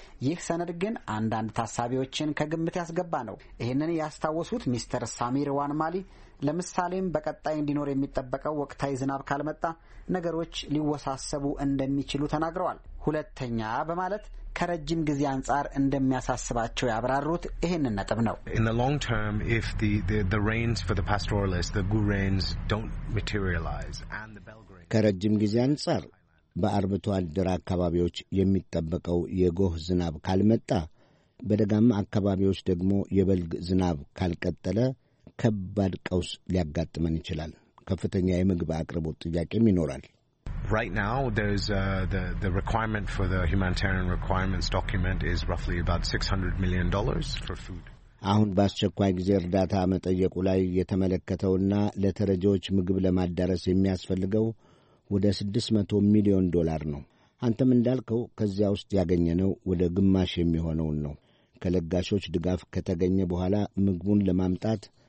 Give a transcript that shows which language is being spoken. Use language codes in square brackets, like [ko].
[am] ይህ ሰነድ ግን አንዳንድ ታሳቢዎችን ከግምት ያስገባ ነው። ይህንን ያስተዋወሱት ሚስተር ሳሚር ዋን ማሊ ለምሳሌም በቀጣይ እንዲኖር የሚጠበቀው ወቅታዊ ዝናብ ካልመጣ ነገሮች ሊወሳሰቡ እንደሚችሉ ተናግረዋል። ሁለተኛ በማለት ከረጅም ጊዜ አንጻር እንደሚያሳስባቸው ያብራሩት ይሄን ነጥብ ነው። [en] In the long term if the rains for the pastoralists the good rains don't materialize and the Belgrade [am] ከረጅም ጊዜ አንጻር በአርብቶ አደር አካባቢዎች የሚጠበቀው የጎህ ዝናብ ካልመጣ በደጋማ አካባቢዎች ደግሞ የበልግ ዝናብ ካልቀጠለ ከባድ ቀውስ ሊያጋጥመን ይችላል። ከፍተኛ የምግብ አቅርቦት ጥያቄም ይኖራል። [en] Right now there's the requirement for the humanitarian requirements document is roughly about $600 million for food. [am] አሁን በአስቸኳይ ጊዜ እርዳታ መጠየቁ ላይ የተመለከተውና ለተረጂዎች ምግብ ለማዳረስ የሚያስፈልገው ወደ 600 ሚሊዮን ዶላር ነው። አንተም እንዳልከው ከዚያ ውስጥ ያገኘነው ወደ ግማሽ የሚሆነው ነው። ከለጋሾች ድጋፍ ከተገኘ በኋላ ምግቡን ለማምጣት